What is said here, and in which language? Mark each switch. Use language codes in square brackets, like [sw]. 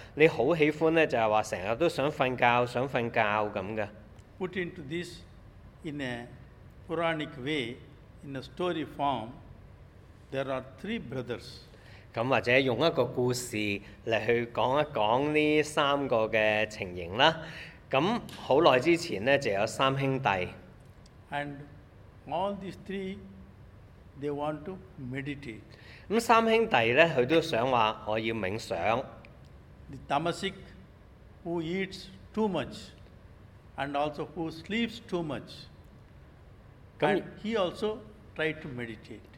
[yue] 你好喜歡咧，就係話成日都想瞓覺，想瞓覺咁嘅。 [en] Put into this in a Puranic way, in a story form, there are three brothers. [yue] 咁或者用一個故事嚟去講一講呢三個嘅情形啦。咁好耐之前咧，就有三兄弟。 [en] And all these three. They want to meditate. [yue] 咁三兄弟咧，佢都想話我要冥想。 [en] The tamasic who eats too much and also who sleeps too much, and he also tried to meditate.